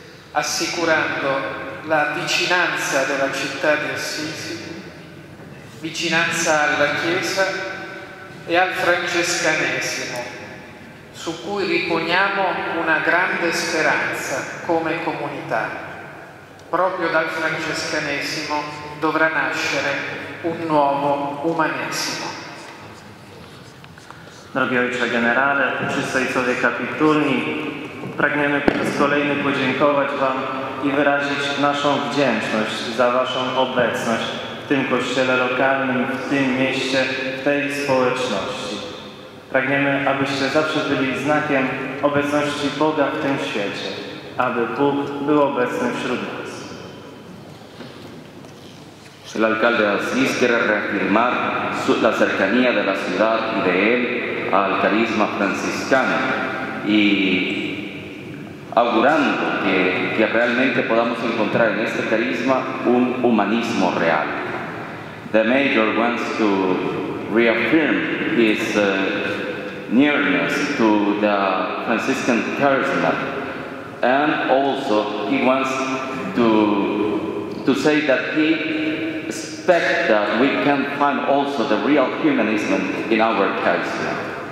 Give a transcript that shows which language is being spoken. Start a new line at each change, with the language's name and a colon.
Italian: assicurando la vicinanza della città di Assisi, vicinanza alla Chiesa e al francescanesimo, su cui riponiamo una grande speranza come comunità. Proprio dal francescanesimo dovrà nascere un nuovo umanesimo.
Polish: Drogi Ojcze Generale, Czystej Sowie Kapitulni, pragniemy po raz kolejny podziękować Wam i wyrazić naszą wdzięczność za Waszą obecność w tym kościele lokalnym, w tym mieście, w tej społeczności. Pragniemy, abyście zawsze byli znakiem obecności Boga w tym świecie, aby Bóg był obecny wśród nas.
Spanish: El alcalde de Asís quiere reafirmar la cercanía de la ciudad y de él al carisma franciscano y augurando que realmente podamos encontrar en este carisma un humanismo real.
English: The mayor wants to reaffirm his nearness to the Franciscan charisma and also he wants to say that he expect that we can find also the real humanism in our character.